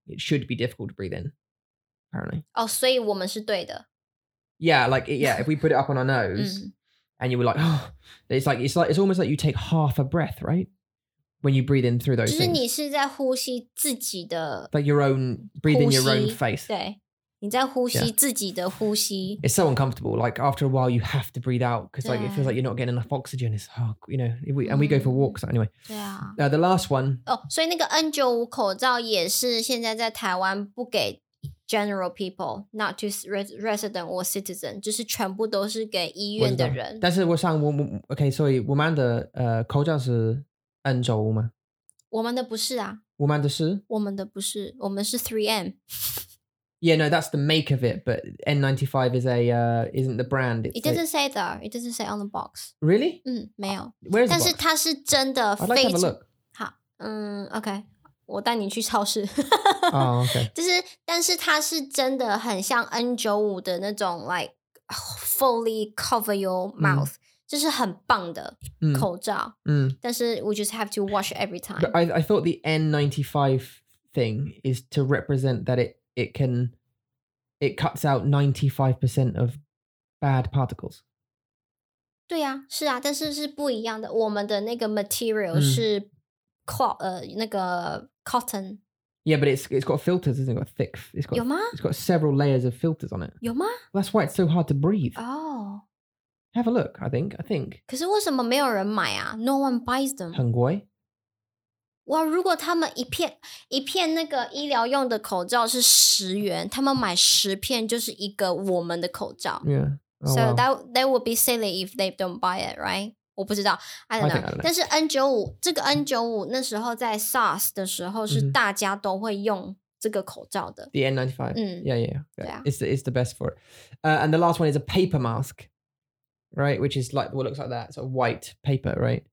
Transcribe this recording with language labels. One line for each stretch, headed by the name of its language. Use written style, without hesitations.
English: It should be difficult to breathe in, apparently.
Chinese: Oh, 所以我们是对的。
English: Yeah, like, yeah, if we put it up on our nose, and you were like, oh, it's like, it's almost like you take half a breath, right? When you breathe in through those
Chinese: things. 就是你是在呼吸自己的呼吸。
English: Like your own, breathe in your own face.
Chinese: 对，你在呼吸自己的呼吸。
English: It's so uncomfortable. Like after a while, you have to breathe out because like it feels like you're not getting enough oxygen. It's hard, you know. We go for walks anyway. Yeah. The last one.
Chinese: Oh, 所以那个 N95 口罩也是现在在台湾不给
English: general people, not to resident or citizen,
Chinese: 就是全部都是给医院的人。但是我想我 OK, 所以我们的口罩是 N95 吗？我们的不是啊。我们的是？我们的不是，我们是 3M。
English: Yeah, no, that's the make of it, but N95 is isn't the brand. It doesn't say on the box. Really?
Chinese: 嗯，没有。
English: Where is the box?
Chinese: 但是它是真的
English: 非常。I'd like to have a look.
Chinese: 好，OK, 我带你去超市。
English: Oh, OK.
Chinese: 就是，但是它是真的很像 N95 的那种 like
English: fully cover your mouth.
Chinese: 就是很棒的口罩。但是
English: we just have to wash it every time. But I thought the N95 thing is to represent that it cuts out 95% of bad particles.
Chinese: 对啊，是啊，但是是不一样的。我们的那个 material 是 那个 cotton.
English: Yeah, but it's got filters, isn't it? Got thick. It's got,
Chinese: 有吗？
English: It's got several layers of filters on it.
Chinese: 有吗？
English: That's why it's so hard to breathe. Oh. Have a look, I think.
Chinese: 可是为什么没有人买啊？
English: No one buys them.
Chinese: 很贵。哇，如果他们一片那个医疗用的口罩是10元，他们买10片就是一个我们的口罩。
English: Yeah. Oh, so that would be silly if they don't buy it, right?
Chinese: 我不知道
English: I don't know.
Chinese: 但是 N95, 这个 N95 那时候在 SARS 的时候是大家都会用这个口罩的。
English: The N95. Yeah. It's the best for it. And the last one is a paper mask, right? Which is like, what looks like that, sort of white paper, right?